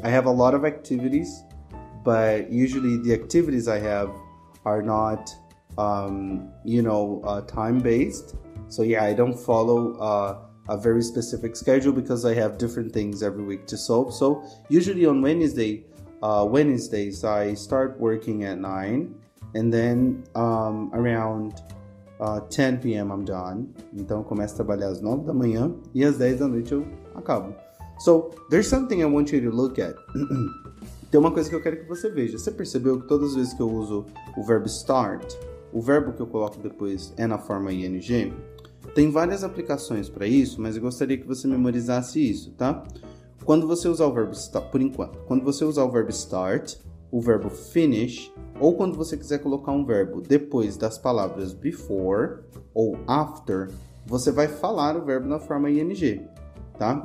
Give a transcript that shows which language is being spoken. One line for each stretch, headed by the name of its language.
English: I have a lot of activities, but usually the activities I have are not, time-based. So yeah, I don't follow a very specific schedule because I have different things every week to solve. So usually on Wednesdays I start working at 9 and then around 10 p.m. I'm done.
Portuguese: Então, eu começo a trabalhar às 9 da manhã e às 10 da noite eu acabo.
English: So, there's something I want you to look at.
Portuguese: Tem uma coisa que eu quero que você veja. Você percebeu que todas as vezes que eu uso o verbo start, o verbo que eu coloco depois é na forma ing? Tem várias aplicações para isso, mas eu gostaria que você memorizasse isso, tá? Quando você usar o verbo start, por enquanto, quando você usar o verbo start, o verbo finish, ou quando você quiser colocar um verbo depois das palavras before ou after, você vai falar o verbo na forma ing, tá?